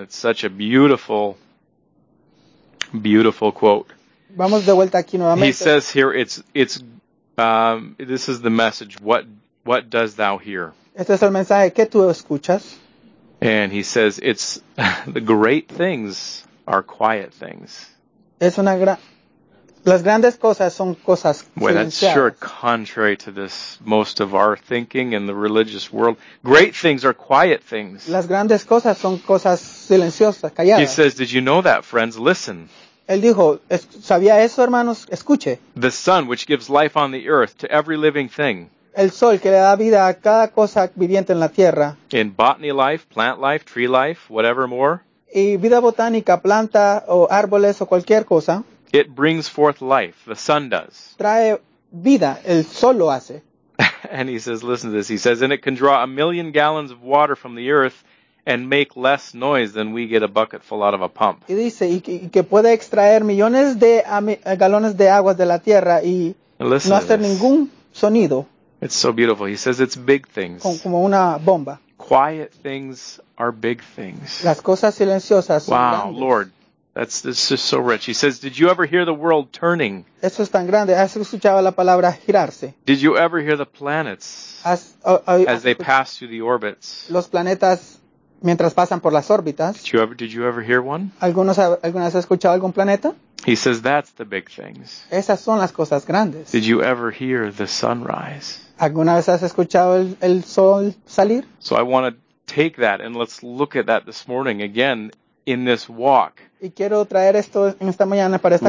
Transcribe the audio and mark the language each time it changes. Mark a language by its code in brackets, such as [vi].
[en] It's such a beautiful, beautiful quote. [es] Vamos de vuelta aquí nuevamente. [en] He says here, it's this is the message. What does thou hear? [es] Este es el mensaje que tú escuchas. [en] And he says, it's the great things are quiet things. [es] Es una las grandes cosas son cosas silenciadas. [en] Well, that's sure contrary to this most of our thinking in the religious world. Great things are quiet things. [es] Las grandes cosas son cosas silenciosas, calladas. [en] He says, did you know that, friends? Listen. [es] Él dijo, ¿sabía eso, hermanos? Escuche. [en] The sun, which gives life on the earth to every living thing. [es] El sol que le da vida a cada cosa viviente en la tierra. [en] In botany life, plant life, tree life, whatever more. [es] Y vida botánica, planta o árboles o cualquier cosa. [en] It brings forth life. The sun does. [es] Trae vida. El sol lo hace. [en] And he says, listen to this. He says, and it can draw 1,000,000 gallons of water from the earth and make less noise than we get a bucket full out of a pump. [es] Y dice, y que puede extraer millones de galones de aguas de la tierra y no hacer ningún sonido. [en] It's so beautiful. He says it's big things. [es] Como una bomba. [en] Quiet things are big things. [es] Las cosas silenciosas son [en] wow, [es] grandes. [en] Lord. That's just so rich. He says, did you ever hear the world turning? [es] Eso es tan grande. ¿Has escuchado la palabra girarse? [en] Did you ever hear the planets as they pass through the orbits? [es] Los planetas mientras pasan por las órbitas. [en] Did you ever hear one? [es] ¿Alguna vez has escuchado algún planeta? [en] He says, that's the big things. [es] Esas son las cosas grandes. [en] Did you ever hear the sunrise? [es] ¿Alguna vez has escuchado el sol salir? [en] So I want to take that and let's look at that this morning again. In this walk, [es] y quiero traer esto en esta mañana para esta